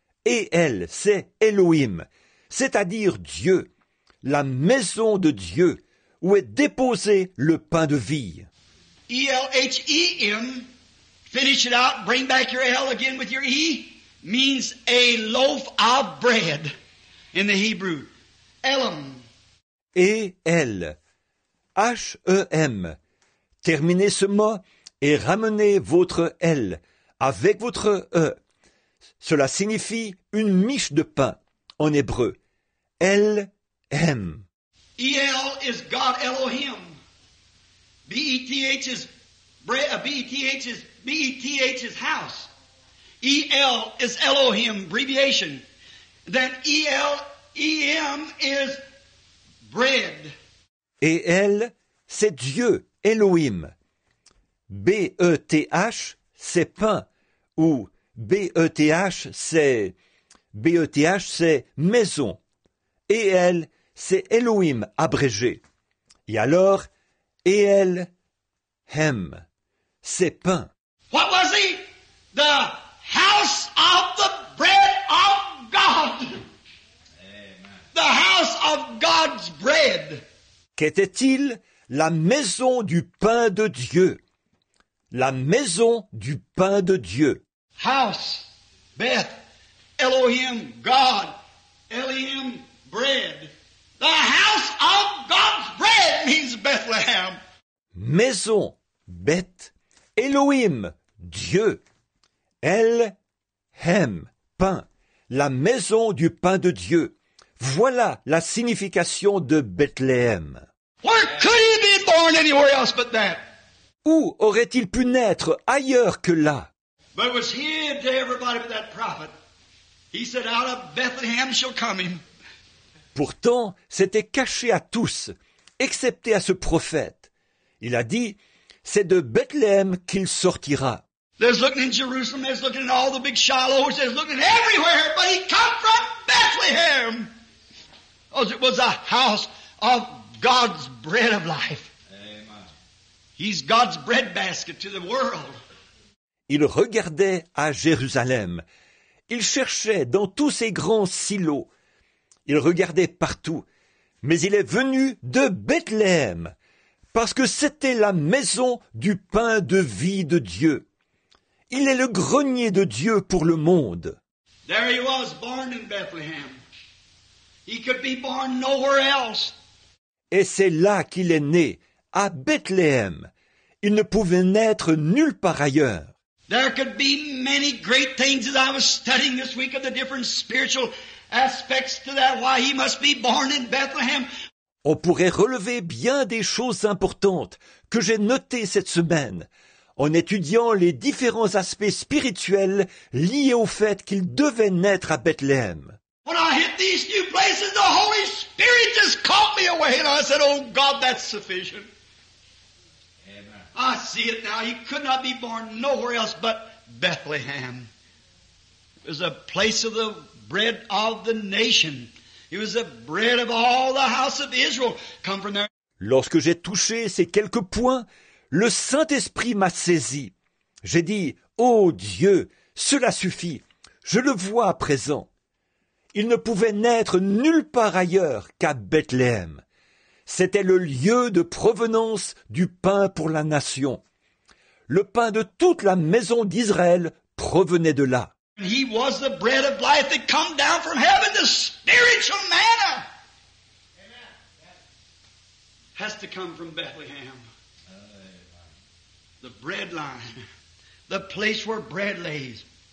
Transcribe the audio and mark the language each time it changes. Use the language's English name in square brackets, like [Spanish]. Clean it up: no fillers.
[French] E-L, c'est Elohim, c'est-à-dire Dieu, la maison de Dieu, où est déposé le pain de vie. E-L-H-E-M. [English] Finish it out, bring back your L again with your E, means a loaf of bread in the Hebrew. Elam. E-L. H-E-M. [French] Terminez ce mot et ramenez votre L avec votre E. cela signifie une miche de pain en hébreu. El Hem. [English] El is God Elohim. B-E-T-H is bread. B-E-T-H is house. El is Elohim, abbreviation. Then E-L-E-M is bread. [French] Et El, c'est Dieu, Elohim. B-E-T-H, c'est pain. Ou B-E-T-H, c'est... B-E-T-H, c'est maison. Et El, c'est Elohim, abrégé. Et alors, El, Hem, c'est pain. [English] What was he? The house of the bread of God. Amen. The house of God's bread. [French] Qu'était-il? La maison du pain de Dieu. La maison du pain de Dieu. [English] House, Beth, Elohim, God, Elohim, bread. The house of God's bread means Bethlehem. [French] Maison, Beth, Elohim, Dieu. El, Hem, pain. La maison du pain de Dieu. Voilà la signification de Bethléem. [English] Where could he be born anywhere else but that? [French] Où aurait-il pu naître ailleurs que là? [English] But it was hid to everybody but that prophet. He said, out of Bethlehem shall come him. [French] Pourtant, c'était caché à tous, excepté à ce prophète. Il a dit, c'est de Bethléem qu'il sortira. [English] There's looking in Jerusalem, there's looking in all the big Shilohs, there's looking everywhere, but he come from Bethlehem. Because it was a house of God's bread of life. He's God's bread basket to the world. [French] Il regardait à Jérusalem. Il cherchait dans tous ses grands silos. Il regardait partout. Mais il est venu de Bethléem, parce que c'était la maison du pain de vie de Dieu. Il est le grenier de Dieu pour le monde. [English] There he was, born in Bethlehem. He could be born nowhere else. [French] Et c'est là qu'il est né. À Bethléem, il ne pouvait naître nulle part ailleurs. [English] There could be many great things as I was studying this week of the different spiritual aspects to that, why he must be born in Bethlehem. [French] On pourrait relever bien des choses importantes que j'ai notées cette semaine en étudiant les différents aspects spirituels liés au fait qu'il devait naître à Bethléem. [English] When I hit these new places, the Holy Spirit just caught me away, and I said, oh God, that's sufficient. Amen. I see it now. He could not be born nowhere else but Bethlehem. It was a place of the bread of the nation. It was the bread of all the house of Israel. Come from there. [French] Lorsque j'ai touché ces quelques points, le Saint-Esprit m'a saisi. J'ai dit, oh Dieu, cela suffit. Je le vois à présent. Il ne pouvait naître nulle part ailleurs qu'à Bethléem. C'était le lieu de provenance du pain pour la nation. Le pain de toute la maison d'Israël provenait de là. [English] He was the bread of life that come down from heaven, the spiritual manna. Amen. Has to come from Bethlehem. The bread line. The place where bread lays.